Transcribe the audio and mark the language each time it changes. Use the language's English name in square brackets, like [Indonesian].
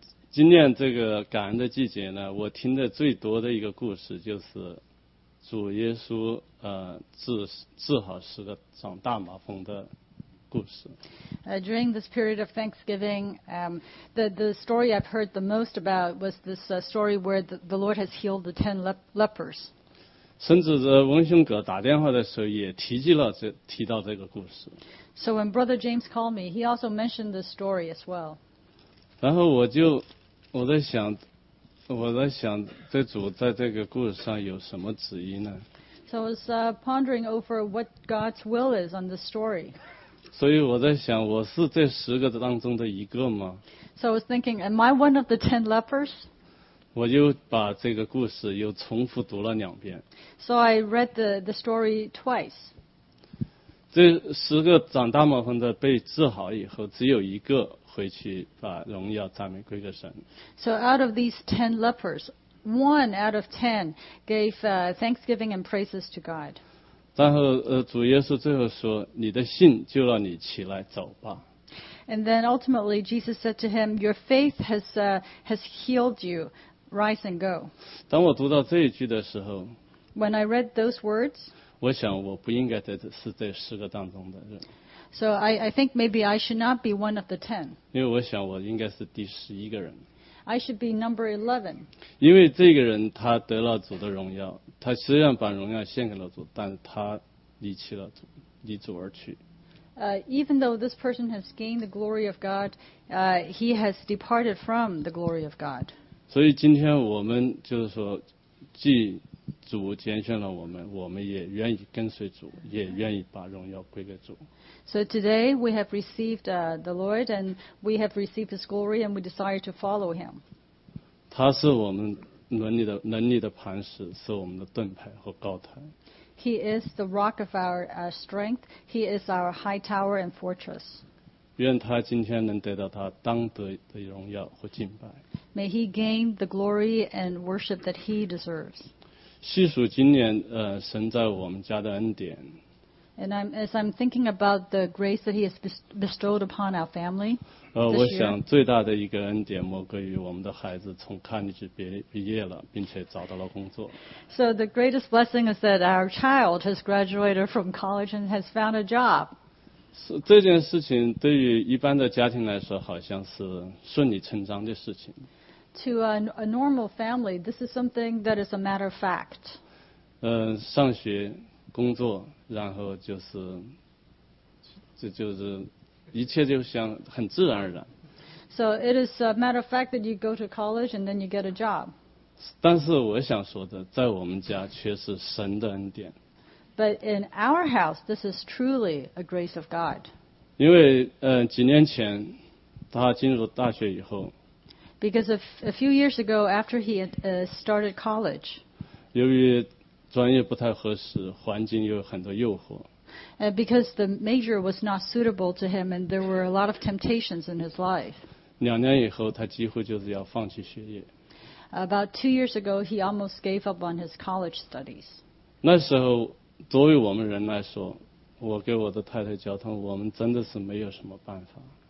[Chinese] 今年这个感恩的季节呢，我听的最多的一个故事就是主耶稣治好十个长大麻风的故事。 [English] During this period of Thanksgiving, the story I've heard the most about was this story where the Lord has healed the 10 lepers. [Chinese] 甚至翁兄哥打电话的时候也提到这个故事。 [English] So when Brother James called me, he also mentioned this story as well. [Chinese] 然后我在想这主在这个故事上有什么旨意呢？ [English] So I was pondering over what God's will is on the story. [Chinese] 所以我在想我是这十个当中的一个吗？ [English] So I was thinking, am I one of the 10 lepers? [Chinese] 我就把这个故事又重复读了两遍。 [English] So I read the story twice. [Chinese] 这十个长大麻风的被治好以后只有一个回去把荣耀赞美归给神。 [English] So out of these 10 lepers, one out of 10 gave thanksgiving and praises to God. [Chinese] 然后主耶稣最后说，你的信就让你起来走吧。 [English] And then ultimately Jesus said to him, your faith has healed you, rise and go. [Chinese] 当我读到这一句的时候， [English] When I read those words, [Chinese] 我想我不应该是这十个当中的人。 [English] So I think maybe I should not be one of the 10. [Chinese] 因为我想我应该是第十一个人。 [English] I should be number 11. [Chinese] 因为这个人他得了主的荣耀，他虽然把荣耀献给了主，但他离弃了主，离主而去。 [English] Even though this person has gained the glory of God, he has departed from the glory of God. [Chinese] 所以今天我们就是说，既主拣选了我们，我们也愿意跟随主，也愿意把荣耀归给主。 [English] So today we have received the Lord and we have received His glory and we desire to follow Him. [Chinese] 他是我们能力的磐石，是我们的盾牌和高台。 [English] He is the rock of our strength. He is our high tower and fortress. [Chinese] 愿他今天能得到他当得的荣耀和敬拜。 [English] May He gain the glory and worship that He deserves. [Chinese] 细数今年神在我们家的恩典。 [English] And as I'm thinking about the grace that He has bestowed upon our family, [Chinese] 我想最大的一个恩典莫过于我们的孩子从康尼治毕业了，并且找到了工作。 [English] So the greatest blessing is that our child has graduated from college and has found a job. [Chinese] 这件事情对于一般的家庭来说，好像是顺理成章的事情。 [English] To a normal family, this is something that is a matter of fact. [Chinese] 上学，工作。然后就是，这就是一切就像很自然而然。 [English] So it is a matter of fact that you go to college and then you get a job. [Chinese] 但是我想说的，在我们家却是神的恩典。 [English] But in our house, this is truly a grace of God. [Chinese] 因为几年前他进入大学以后。 [English] Because a few years ago, after he started college. [Chinese] 由于专业不太合适，环境又有很多诱惑。 [English] Because the major was not suitable to him, and there were a lot of temptations in his life. [Chinese] 两年以后，他几乎就是要放弃学业。 [English] About 2 years ago, he almost gave up on his college studies. [Chinese] 那时候，作为我们人来说，我给我的太太交通，我们真的是没有什么办法。